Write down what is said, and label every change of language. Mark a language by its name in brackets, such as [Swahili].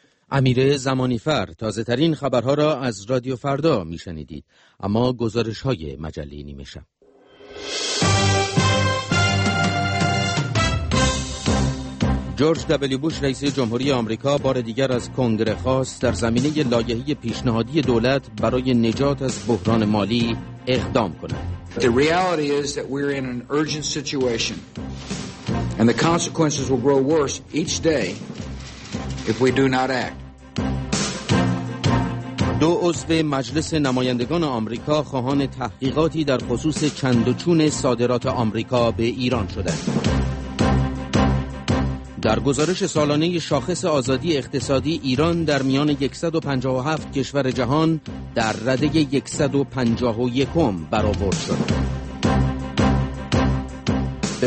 [Persian] امیر زمانی فر، تازه ترین خبرها را از رادیو فردا می شنیدید، اما گزارش های مجله نیمه شب. جورج دبلیو بوش رئیس جمهوری آمریکا بار دیگر از کنگره خواست در زمینه لایحه پیشنهادی دولت برای نجات از بحران مالی اقدام کند. [English] The reality is that we're in an urgent situation and the consequences will grow worse each day if we do not act. [Persian] دو عضو مجلس نمایندگان آمریکا خواهان تحقیقاتی در خصوص چند و چون صادرات آمریکا به ایران شدند. در گزارش سالانه شاخص آزادی اقتصادی ایران در میان 157 کشور جهان در رده 151 برآورد شد. به